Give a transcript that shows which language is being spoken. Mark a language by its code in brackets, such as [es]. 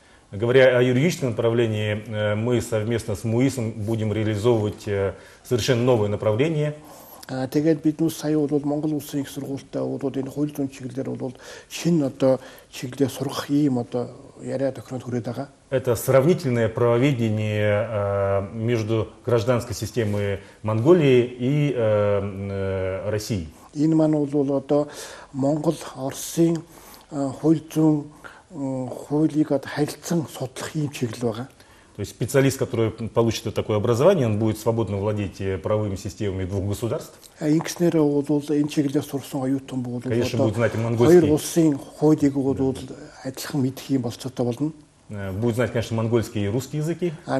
[ru] Говоря о юридическом направлении, мы совместно с МУИСом будем реализовывать совершенно новое направление. [mn] Тэгээд бид нүс сая бол Монгол улсын их сургуультай бол энэ хууль зүйн чиглэлээр бол шинэ одоо чиглэлээр сурах ийм одоо яриа тохиронд хүрээд байгаа. [ru] Это сравнительное правоведение между гражданской системой Монголии и России. [mn] Энэ маань бол одоо Монгол Оросын хууль зүйн хуулийг одоо харилцан судлах ийм чиглэл байгаа. [ru] То есть специалист, который получит такое образование, он будет свободно владеть правовыми системами двух государств? Конечно, будет знать монгольский. Да. Будет знать, конечно, монгольский и русский языки.